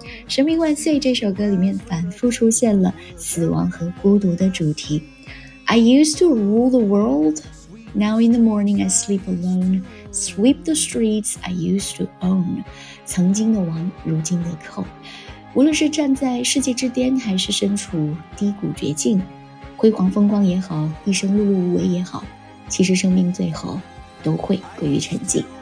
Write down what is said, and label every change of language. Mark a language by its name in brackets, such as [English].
[Chinese] 生命万岁这首歌里面反复出现了死亡和孤独的主题。 [English] I used to rule the world, now in the morning I sleep alone, sweep the streets I used to own. [Chinese] 曾经的王，如今的寇。无论是站在世界之巅，还是身处低谷绝境，辉煌风光也好，一生碌碌无为也好，其实生命最后都会归于沉寂。